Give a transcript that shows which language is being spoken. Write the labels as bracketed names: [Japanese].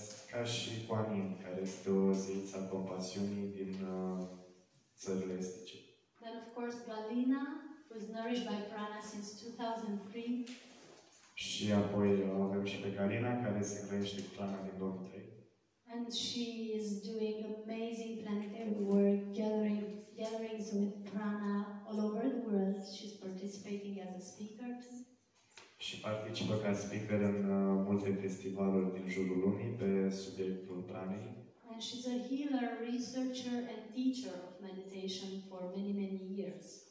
[Romanian] Ca și Kuan Yin, care este o zeiță a compasiunii din țările estice. [English] Then of course Galina, was nourished by Prana since 2003. [Romanian] Și apoi avem și pe Galina, care se hrănește cu Prana din 2003. [English] And she is doing amazing planetary work, gatherings with Prana all over the world. She's participating as a speaker. [Romanian] Și participă ca speaker în multe festivaluri din jurul lumii pe subiectul Pranic. [English] And she's a healer, researcher and teacher of meditation for many, many years.